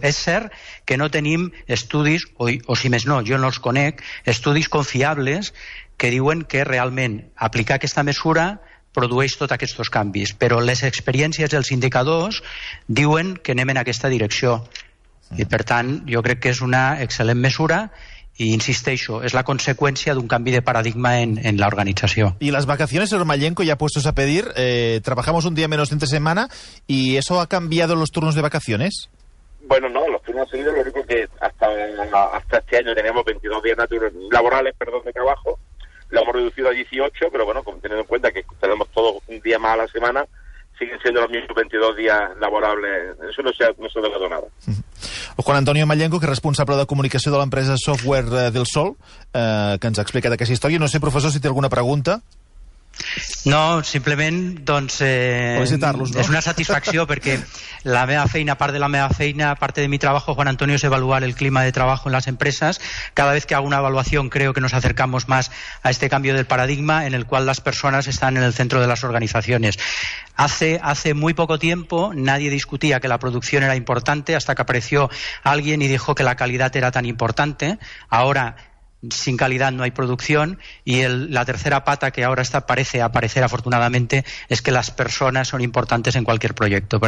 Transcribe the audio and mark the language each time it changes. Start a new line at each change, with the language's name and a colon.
Catalan: És cert que no tenim estudis, o si més no, jo no els conec, estudis confiables que diuen que realment aplicar aquesta mesura produeix tots aquests canvis, però les experiències i els indicadors diuen que anem en aquesta direcció. I per tant, jo crec que és una excel·lent mesura i insisteixo, és la conseqüència d'un canvi de paradigma en l'organització.
Spanish: I les vacaciones, el Mallenco, ja puestos a pedir, trabajamos un día menos entre semana y eso ha cambiado los turnos de vacaciones? Bueno, no, los turnos seguidos, lo único que hasta este año teníamos 22 días laborales de trabajo, lo hemos reducido a 18, pero bueno, teniendo en cuenta que tenemos todos un día más a la semana, siguen siendo los mismos 22 días laborables, eso no se ha dado nada.
Catalan: Juan Antonio Mallenco, que és responsable de comunicació de l'empresa Software del Sol, que ens ha explicat aquesta història. No sé, professor, si té alguna pregunta. No, simplement, doncs, felicitar-los, no? És una satisfacció perquè la meva feina, part de la meva feina, part de
Spanish: mi trabajo,
Catalan: Juan Antonio, és
Spanish: evaluar el clima de trabajo en las empresas. Cada vez que hago una evaluación creo que nos acercamos más a este cambio del paradigma en el cual las personas están en el centro de las organizaciones. Hace muy poco tiempo nadie discutía que la producción era importante hasta que apareció alguien y dijo que la calidad era tan importante. Ahora, sin calidad no hay producción y la tercera pata que ahora parece aparecer afortunadamente es que las personas son importantes en cualquier proyecto.